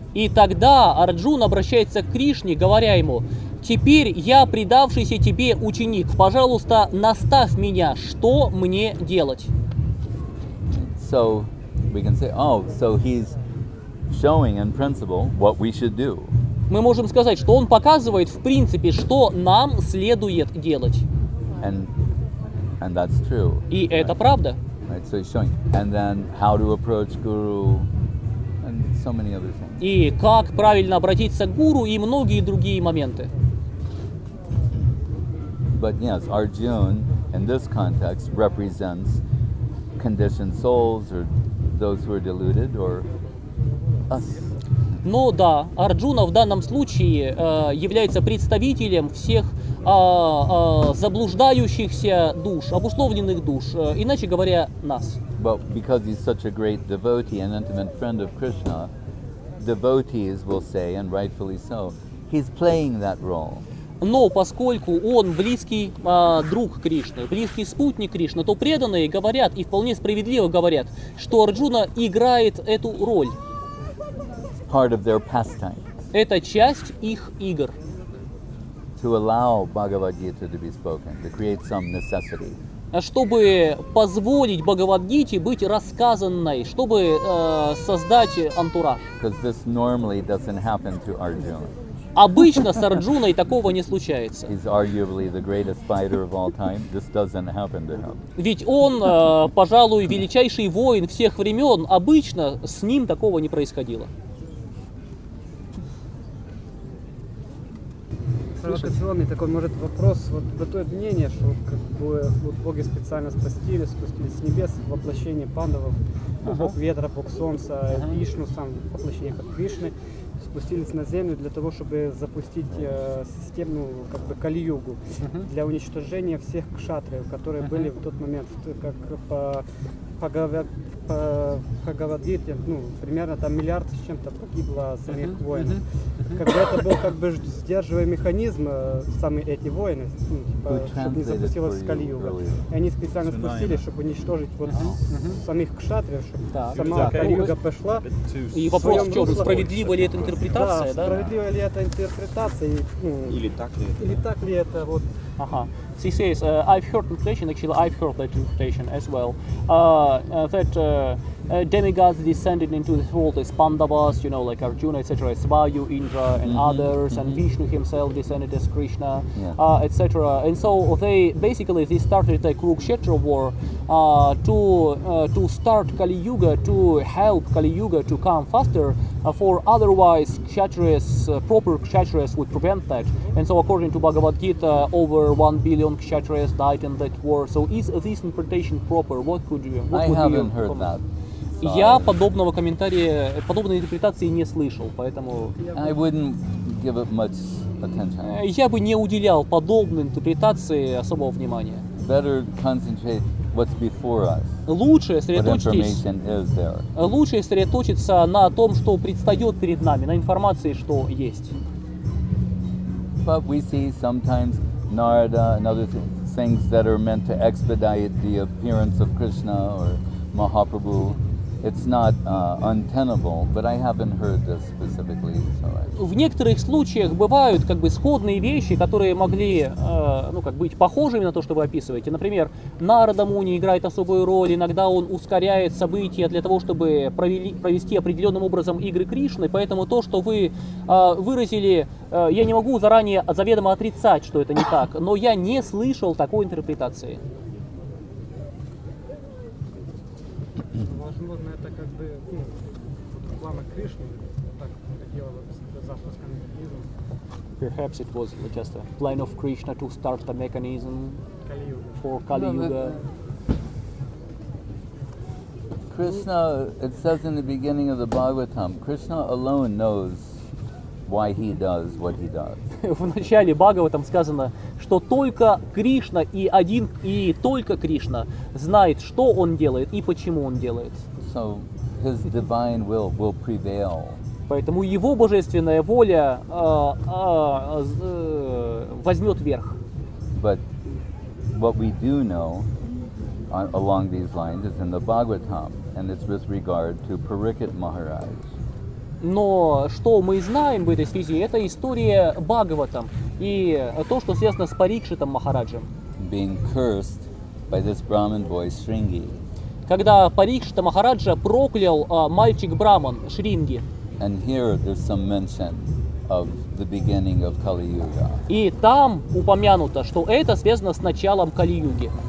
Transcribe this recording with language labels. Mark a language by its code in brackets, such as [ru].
[ru] И тогда Арджуна обращается к Кришне, говоря ему: «Теперь я предавшийся тебе ученик. Пожалуйста, наставь меня, что мне делать?» [en] So we can say, oh, so he's showing in principle what we should do. [ru] Мы можем сказать, что он показывает в принципе, что нам следует делать. [en] And that's true. [ru] И это правда. [en] Right, so he's showing. And then how to approach guru and so many other things. [ru] И как правильно обратиться к гуру и многие другие моменты. [en] But yes, Arjuna in this context represents conditioned souls or those who are deluded or us. [ru] Но да, Арджуна в данном случае является представителем всех заблуждающихся душ, обусловленных душ, иначе говоря, нас. [en] But because he's such a great devotee and intimate friend of Krishna, devotees will say, and rightfully so, he's playing that role. [ru] Но поскольку он близкий друг Кришны, близкий спутник Кришны, то преданные говорят, и вполне справедливо говорят, что Арджуна играет эту роль. [en] Part of their pastime. [ru] Это часть их игр. [en] To allow Bhagavad Gita to be spoken, to create some necessity. [ru] Чтобы позволить Бхагавад Гите быть рассказанной, чтобы создать антураж. [en] Because this normally doesn't happen to Arjuna. [ru] Обычно с Арджуной такого не случается. [en] He's arguably the greatest fighter of all time. This doesn't happen to him. [ru] Ведь он, пожалуй, величайший воин всех времен. Обычно с ним такого не происходило. Провокационный такой, может, вопрос, вот бытует мнение, что как бы вот боги специально спустились с небес в воплощение пандавов, бог ветра, бог солнца, Вишну, сам воплощение как Вишны, спустились на землю для того, чтобы запустить систему, как бы кали-югу, для уничтожения всех кшатры, которые были в тот момент, как по Бхагавад-гите, ну, примерно там миллиард с чем-то погибло самих воинов. Как бы это был как бы сдерживающий механизм, самые эти воины, ну, типа, чтобы не запустилось кали-юга. И они специально спустились, чтобы уничтожить вот самих кшатриев, чтобы сама кали-юга пошла. И вопрос в чем, справедлива ли это интерпретация? Да, справедлива ли это интерпретация? Или так ли это? Или так ли это вот... [en] She says, I've heard interpretation, actually I've heard that interpretation as well, that demigods descended into this world as Pandavas, you know, like Arjuna, etc., as Vayu, Indra, and others, and Vishnu himself descended as Krishna, etc. And so they started the Kurukshetra war to start Kali Yuga, to help Kali Yuga to come faster, for otherwise proper Kshatriyas would prevent that. And so according to Bhagavad Gita, over 1 billion Kshatriyas died in that war. So is this interpretation proper? What could you? What I would haven't heard comment? That. [ru] Я подобного комментария, подобной интерпретации не слышал, поэтому... [en] I wouldn't give it much attention. [ru] Я бы не уделял подобной интерпретации особого внимания. [en] Better concentrate what's before us. [ru] Лучше сосредоточиться на том, что предстает перед нами, на информации, что есть. [en] But we see sometimes Narada and other things that are meant to expedite the appearance of Krishna or Mahaprabhu. It's not untenable, but I haven't heard this specifically. So [ru] в некоторых случаях бывают как бы сходные вещи, которые могли, ну как быть похожими на то, что вы описываете. Например, Нарада Муни играет особую роль. Иногда он ускоряет события для того, чтобы провести определенным образом игры Кришны. Поэтому то, что вы выразили, я не могу заранее заведомо отрицать, что это не так. Но я не слышал такой интерпретации. возможно, это как бы реклама Кришны, так хотела бы запуск канонизма. [en] Perhaps it was just a plan of Krishna to start the mechanism Kali-Yuga. For Kali Yuga. Krishna, it says in the beginning of the Bhagavatam, Krishna alone knows why he does what he does. [ru] В начале Бхагаватам сказано, что только Кришна и один и только Кришна знает, что он делает и почему он делает. [en] So his divine will prevail. [ru] Поэтому его божественная воля возьмет верх. [en] But what we do know along these lines is in the Bhagavatam, and it's with regard to Parikshit Maharaj. [ru] Но что мы знаем в этой связи, это история Бхагаватам и то, что связано с Парикшитом Махараджем. [en] Being cursed by this Brahmin boy Шринги. [ru] Когда Парикшита Махараджа проклял мальчик-браман Шринги. [en] And here there's some mention of the beginning of Kali Yuga. [ru] И там упомянуто, что это связано с началом Kali Yuga.